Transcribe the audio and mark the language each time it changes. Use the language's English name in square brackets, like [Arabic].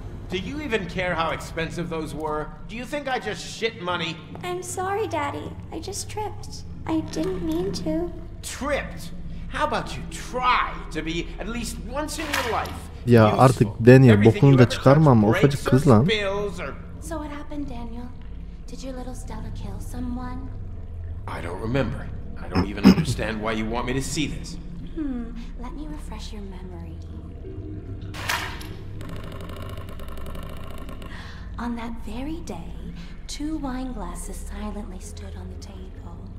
[English] Do you even care how expensive those were? Do you think I just shit money? I'm sorry, Daddy. I just tripped. I didn't mean to. Tripped? How about you try to be at least once in your life? [Turkish] Ya artık Daniel, bokunu da çıkarma ama ufacık kız lan. [English] So what happened, Daniel? Did your little Stella kill someone? I don't remember. I don't even understand why you want me to see this. Let me refresh your memory. On that very day, two wine glasses silently stood on the table.